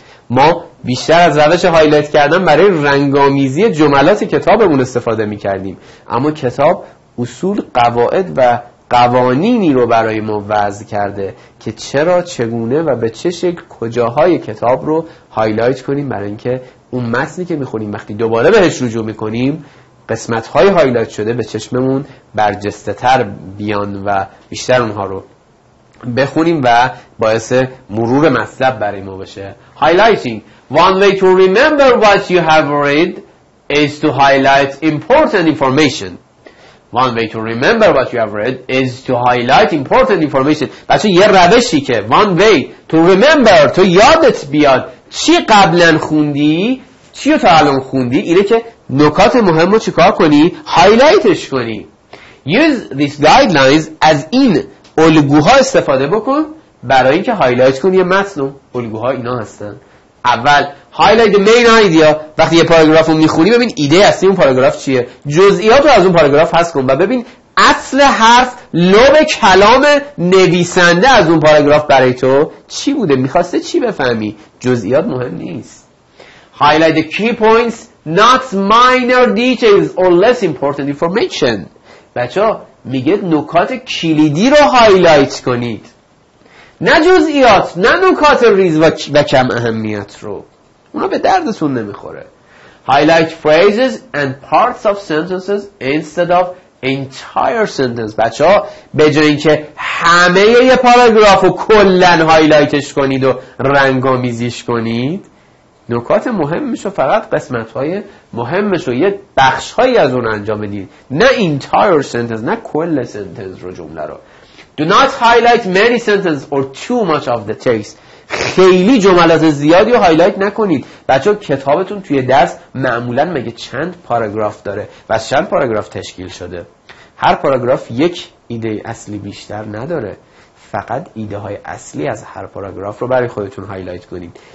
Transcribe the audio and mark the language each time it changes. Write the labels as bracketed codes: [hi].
[fa] ما بیشتر از روش هایلایت کردن برای رنگ‌آمیزی جملات کتابمون استفاده می‌کردیم، اما کتاب اصول، قواعد و قوانینی رو برای ما وضع کرده که چرا، چگونه و به چه شکل کجاهای کتاب رو هایلایت کنیم، برای اینکه اون متنی که می‌خونیم وقتی دوباره بهش رجوع می‌کنیم قسمت‌های هایلایت شده به چشممون برجسته‌تر بیان و بیشتر اونها رو بخونیم و باعث مرور مطلب برای ما بشه. [en] Highlighting. One way to remember what you have read is to highlight important information. One way to remember what you have read is to highlight important information. [fa] بچه یه روشی که [en] one way to remember [fa] تو یادت بیاد چی قبلا خوندی چی رو تا الان خوندی اینه که نکات مهم رو چیکار کنی هایلایتش کنی. [en] Use these guidelines [fa] از این الگوها استفاده بکن برای اینکه هایلایت کنی یه متن رو. الگوها اینا هستن. اول [en] highlight the main idea. [fa] وقتی یه پاراگراف رو میخونی ببین ایده اصلی اون پاراگراف چیه، جزئیات رو از اون پاراگراف حذف کن و ببین اصل حرف لب کلام نویسنده از اون پاراگراف برای تو چی بوده، میخواسته چی بفهمی. جزئیات مهم نیست. [en] highlight the key points not minor details or less important information. [fa] بچه ها میگه نکات کلیدی رو هایلایت کنید، نه جزئیات، نه نکات ریز و کم اهمیت رو، اونا به دردتون نمیخوره. [en] Highlight phrases and parts of sentences instead of entire sentence. [fa] بچه ها به جای این که همه یه پاراگراف رو کلن هایلایتش کنید و رنگامیزیش کنید، نکات مهمش رو فقط قسمت‌های مهمش رو یه بخش‌هایی از اون انجام بدید، نه [en] entire sentence، [fa] نه کل sentence رو، جمله رو. [en] Do not highlight many sentences or too much of the text. [fa] خیلی جملات زیادی رو هایلایت نکنید. بچه ها کتابتون توی دست معمولاً مگه چند پاراگراف داره و از چند پاراگراف تشکیل شده؟ هر پاراگراف یک ایده اصلی بیشتر نداره. فقط ایده های اصلی از هر پاراگراف رو برای خودتون هایلایت کنید.